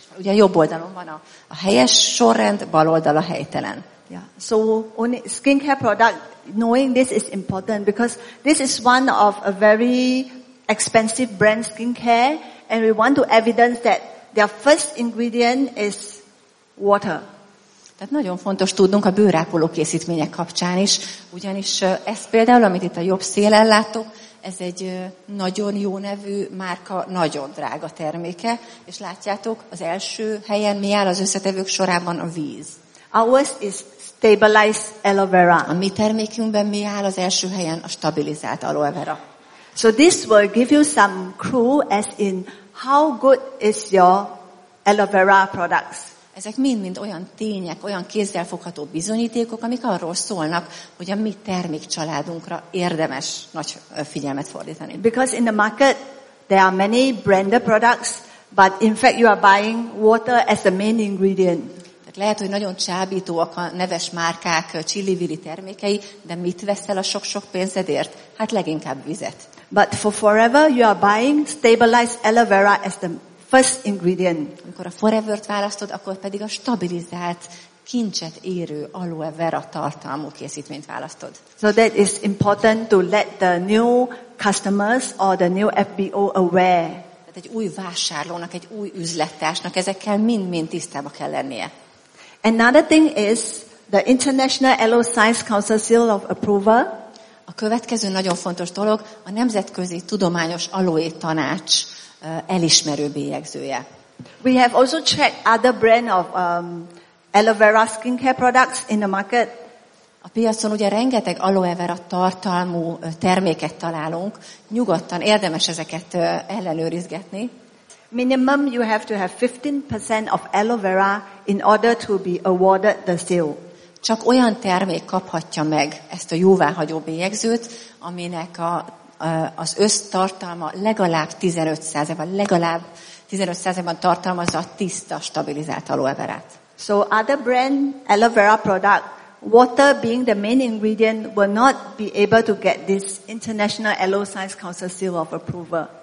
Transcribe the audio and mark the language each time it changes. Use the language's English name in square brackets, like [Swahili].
[Hungarian] Ugye a jobb oldalon van a helyes sorrend, bal oldal a helytelen. [English] Yeah. So only skincare product, knowing this is important because this is one of a very expensive brand skincare and we want to evidence that their first ingredient is water. [Hungarian] Tehát nápolyon fontos tudnunk a bőrápoló készítmények kapcsán is, ugyanis ez például, amit itt a jobb szélen látok, ez egy nagyon jó nevű márka, nagyon drága terméke, és látjátok, az első helyen mi áll az összetevők sorában a víz. [English] Ours is stabilized aloe vera. [Hungarian] A mi termékünkben mi áll az első helyen a stabilizált aloe vera. [English] So this will give you some clue as in how good is your aloe vera products. [Hungarian] Ezek mind-mind olyan tények, olyan kézzelfogható bizonyítékok, amik arról szólnak, hogy a mi termékcsaládunkra érdemes nagy figyelmet fordítani. [English] Because in the market there are many branded products, but in fact you are buying water as the main ingredient. [Hungarian] Tehát lehet, hogy nagyon csábítóak a neves márkák csillivili termékei, de mit veszel a sok-sok pénzedért? Hát leginkább vizet. [English] But for forever you are buying stabilized aloe vera as the first ingredient. [Hungarian] Amikor a Forever-t választod, akkor pedig a stabilizált, kincset érő aloe vera tartalmú készítményt választod. [English] So that is important to let the new customers or the new FBO aware. [Hungarian] tehát egy új vásárlónak, egy új üzlettársnak, ezekkel mind-mind tisztába kell lennie. [English] Another thing is the International Aero Science Council seal of approval. [Hungarian] A következő nagyon fontos dolog a Nemzetközi Tudományos Aloé Tanács elismerő bélyegzője. [English] We have also checked other brand of aloe vera skincare products in the market. [Hungarian] A piacon ugye rengeteg aloe vera tartalmú terméket találunk, nyugodtan érdemes ezeket ellenőrizgetni. [English] Minimum you have to have 15% of aloe vera in order to be awarded the seal. [Hungarian] Csak olyan termék kaphatja meg ezt a jóváhagyó bélyegzőt, aminek az össztartalma legalább 15%-ban, legalább 15%-ban tartalmazza a tiszta, stabilizált aloe verát. [English] So other brand aloe vera product, water being the main ingredient, will not be able to get this International Aloe Science Council seal of approval.